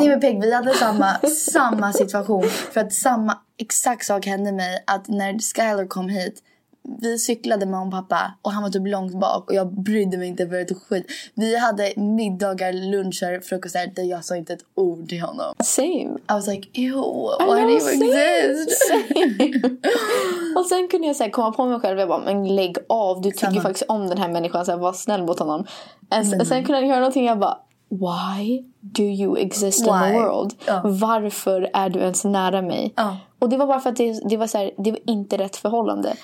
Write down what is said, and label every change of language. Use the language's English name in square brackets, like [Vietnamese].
[Swedish] Nej men Peg, vi hade samma situation. För att samma exakt sak hände mig, att när Skyler kom hit, vi cyklade med mamma och pappa och han var typ långt bak och jag brydde mig inte för ett skit. Vi hade middagar, luncher, frukostar där jag sa inte ett ord till honom. [English] Same. I was like, ew, why do you exist? Same. [Swedish] Och sen kunde jag så här, komma på mig själv och jag bara, men lägg av, du tycker samma. Faktiskt om den här människan, så här, var snäll mot honom. Sen kunde jag göra någonting, jag bara, [English] why do you exist in the world? [Swedish] Varför är du ens nära mig? Och det var bara för att det var så här, det var inte rätt förhållande.